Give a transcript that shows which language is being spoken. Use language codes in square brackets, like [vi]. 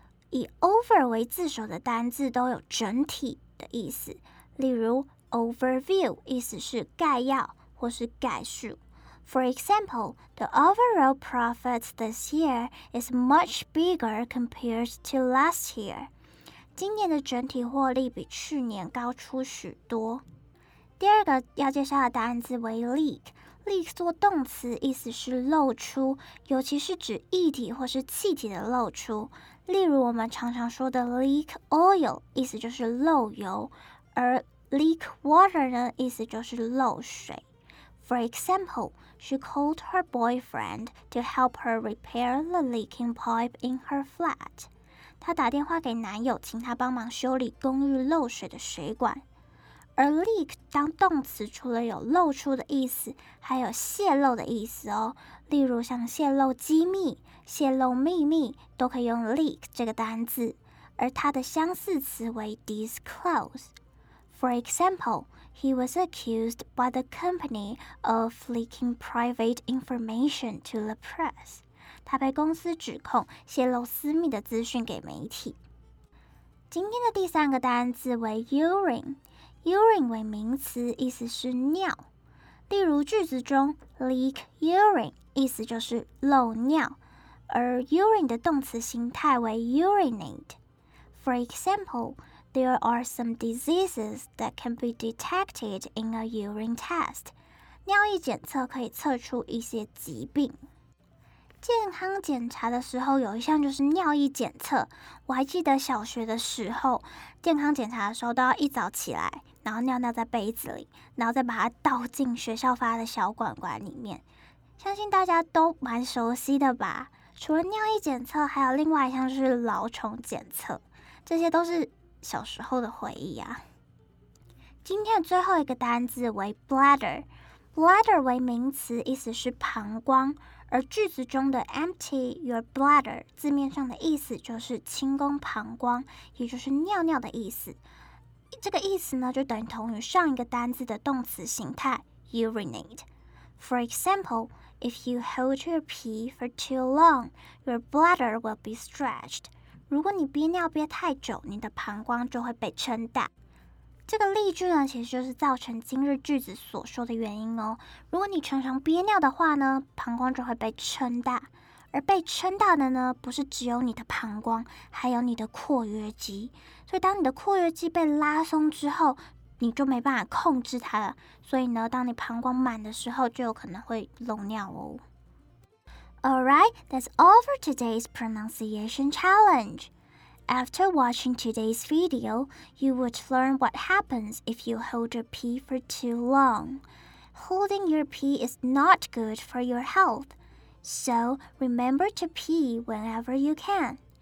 [zh] 以 over 为字首的单字都有整体的意思，例如 overview 意思是概要或是概述。 [en] For example, the overall profit this year is much bigger compared to last year. [zh] 今年的整体获利比去年高出许多。第二个要介绍的单字为 leak。leak 做动词，意思是漏出，尤其是指液体或是气体的漏出，例如我们常常说的 leak oil 意思就是漏油，而 leak water 呢意思就是漏水。 [en] For example, she called her boyfriend to help her repair the leaking pipe in her flat. [zh] 她打电话给男友，请他帮忙修理公寓漏水的水管。而 leak 当动词，除了有漏出的意思，还有泄露的意思哦。例如像泄露机密、泄露秘密，都可以用 leak 这个单字。而它的相似词为 disclose。 [en] For example, he was accused by the company of leaking private information to the press. [zh] 他被公司指控泄露私密的资讯给媒体。今天的第三个单字为 urine。urine 为名词，意思是尿。例如句子中 leak urine 意思就是漏尿，而 urine 的动词形态为 urinate。 [en] For example, there are some diseases that can be detected in a urine test. [zh] 尿液检测可以测出一些疾病。健康检查的时候有一项就是尿液检测，我还记得小学的时候健康检查的时候都要一早起来，然后尿尿在杯子里，然后再把它倒进学校发的小管管里面，相信大家都蛮熟悉的吧。除了尿液检测，还有另外一项就是蛲虫检测，这些都是小时候的回忆啊。今天的最后一个单字为 bladder。bladder 为名词，意思是膀胱，而句子中的 empty your bladder 字面上的意思就是清空膀胱，也就是尿尿的意思。这个意思呢就等同于上一个单字的动词形态 urinate。 [en] For example, if you hold your pee for too long, your bladder will be stretched. [zh] 如果你憋尿憋太久，你的膀胱就会被撑大。这个例句呢，其实就是造成今日句子所说的原因哦。如果你常常憋尿的话呢，膀胱就会被撑大。而被撑大的呢，不是只有你的膀胱，还有你的括约肌。所以当你的括约肌被拉松之后，你就没办法控制它了。所以呢，当你膀胱满的时候，就有可能会漏尿哦。 [en] Alright, that's all for today's pronunciation challenge. After watching today's video, you would learn what happens if you hold your pee for too long. Holding your pee is not good for your health. So, remember to pee whenever you can.